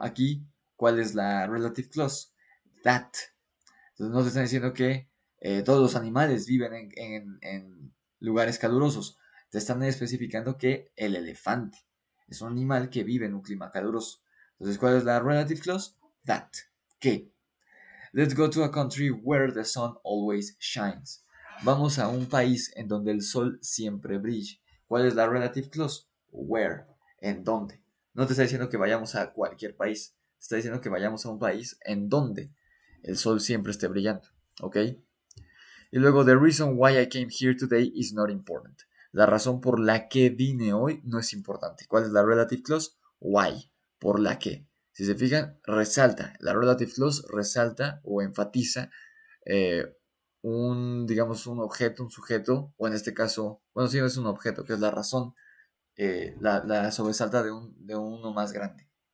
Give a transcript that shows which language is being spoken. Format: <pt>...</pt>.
<es>Aquí, ¿cuál es la relative clause? That. Entonces, nos están diciendo que todos los animales viven en lugares calurosos. Te están especificando que el elefante es un animal que vive en un clima caluroso. Entonces, ¿cuál es la relative clause? That. ¿Qué?</es> <en>Let's go to a country where the sun always shines.</en> <es>Vamos a un país en donde el sol siempre brille. ¿Cuál es la relative clause? Where. ¿En dónde? No te está diciendo que vayamos a cualquier país. Te está diciendo que vayamos a un país en donde el sol siempre esté brillando. ¿Ok? Y luego,</es> <en>the reason why I came here today is not important.</en> <es>La razón por la que vine hoy no es importante. ¿Cuál es la relative clause? Why. Por la que. Si se fijan, resalta. La relative clause resalta o enfatiza un objeto, un sujeto, o en este caso, bueno, sí, es un objeto, que es la razón, la sobresalta de uno más grande.</es>